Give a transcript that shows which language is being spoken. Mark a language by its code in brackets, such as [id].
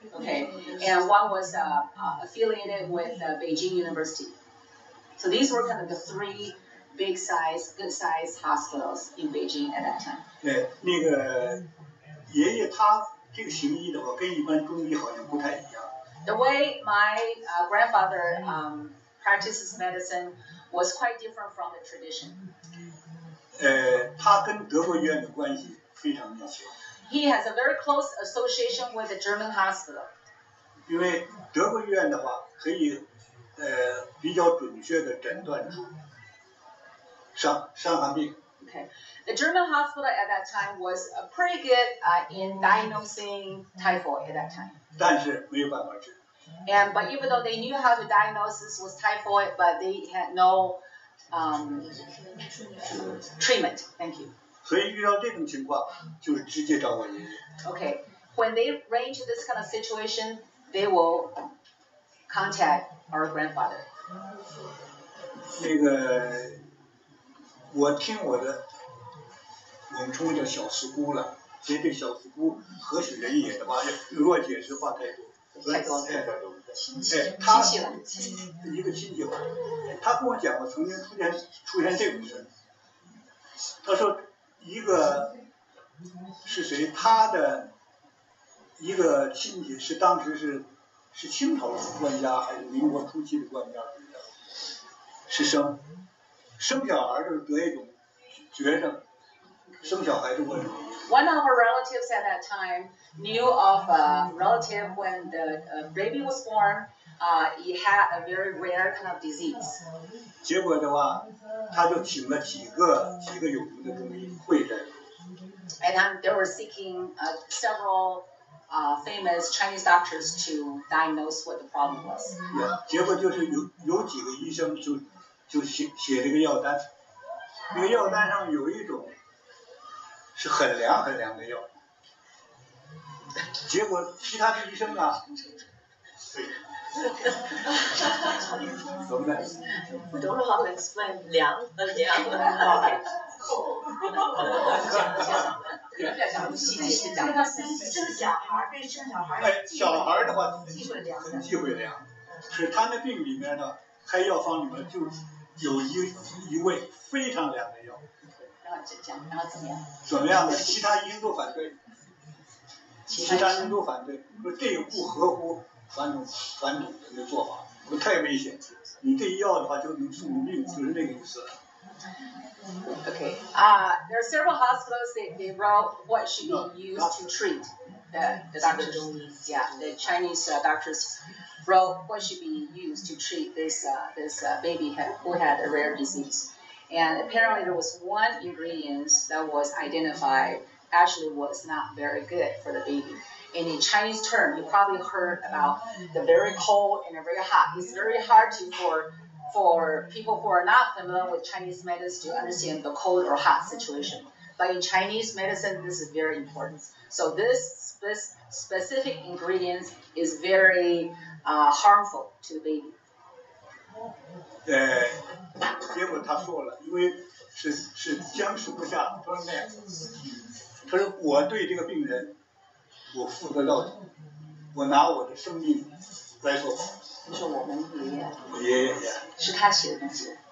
[en] Okay, and one was affiliated with Beijing University. So these were kind of the three big size, good size hospitals in Beijing at that time. [zh] 对，那个爷爷他这个行医的话，跟一般中医好像不太一样。 [en] The way my grandfather practices medicine was quite different from the tradition. [zh] 他跟德国医院的关系。 [en] He has a very close association with the German hospital. [zh] 因为德国医院的话，可以比较准确的诊断出伤寒病。 [en] Okay, the German hospital at that time was pretty good in diagnosing typhoid at that time. [zh] 但是没有办法治。 [en] And but even though they knew how to diagnose this was typhoid, but they had no treatment. Thank you. [zh] 所以遇到这种情况，就是直接找我爷爷。 [en] Okay, when they run into this kind of situation, they will contact our grandfather. [zh] 那个，我听我的，我们称叫小四姑了。其实这小四姑何许人也的话，如果解释话太多。太多了，亲戚了，一个亲戚吧。他跟我讲过，曾经出现这种事。他说。一个是谁？他的一个亲戚是当时是清朝的官家，还是民国初期的官家？是生小孩就是得一种绝症，生小孩就会。 [en] One of our relatives at that time knew of a relative when the baby was born. He had a very rare kind of disease. [zh] 结果的话，他就请了几个有名的中医会诊。 [en] And they were seeking several famous Chinese doctors to diagnose what the problem was. [zh] Yeah, 结果就是有几个医生就写这个药单，那个药单上有一种是很凉很凉的药。结果其他的医生啊。 [en] I don't know how to explain [zh] 凉和凉。 [en] Okay. Cool. [zh] 有点详细，这个生小孩被生小孩。哎，小孩的话，忌讳凉，很忌讳凉。是他那病里面呢，开药方里面就有一味非常凉的药。然后讲，然后怎么样？怎么样呢？其他医生都反对，其他医生都反对，说这个不合乎。传统的做法，不太危险。你这一药的话，就能送你命，就是那个意思。 [en] Okay. Ah, there are several hospitals that they wrote what should be used to treat the doctors. Yeah, the Chinese doctors wrote what should be used to treat this baby who had a rare disease. And apparently, there was one ingredient that was identified actually was not very good for the baby. In a Chinese term, you probably heard about the very cold and the very hot. It's very hard for people who are not familiar with Chinese medicine to understand the cold or hot situation. But in Chinese medicine, this is very important. So this specific ingredient is very harmful to the baby. [zh] 结果他说了，因为是僵持不下，他说那样，他说我对这个病人。我负责到底，我拿我的生命来做保。你说我们爷爷？我爷爷呀。是他写的东西。